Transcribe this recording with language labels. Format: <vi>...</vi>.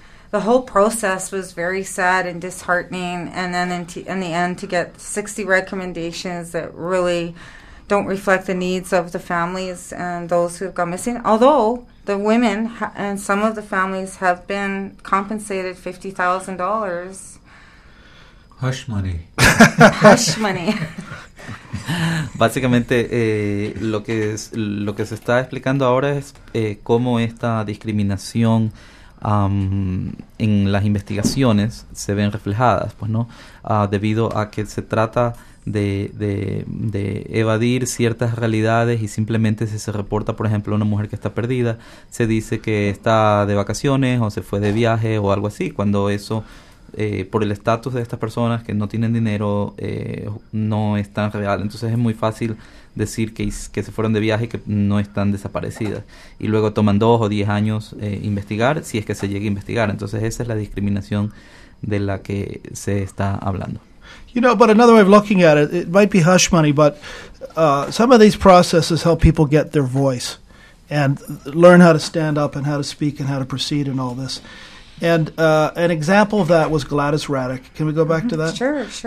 <en>The whole process was very sad and disheartening, and then in the end to get 60 recommendations that really don't reflect the needs of the families and those who have gone missing. Although the women and some of the families have been compensated $50,000. Hush money. Hush money.</en> <es>Básicamente, lo que se está explicando ahora es cómo esta discriminación en las investigaciones se ven reflejadas, pues, ¿no? Debido a que se trata de evadir ciertas realidades, y simplemente si se reporta, por ejemplo, una mujer que está perdida, se dice que está de vacaciones o se fue de viaje o algo así, cuando eso, por el estatus de estas personas que no tienen dinero, no es tan real. Entonces es muy fácil decir que se fueron de viaje y que no están desaparecidas. Y luego toman 2 o 10 años investigar, si es que se llega a investigar. Entonces esa es la discriminación de la que se está hablando.</es> <en>You know, but another way of looking at it, it might be hush money, but some of these processes help people get their voice and learn how to stand up and how to speak and how to proceed and all this. And an example of that was Gladys Radek. Can we go back to that? Sure.</en>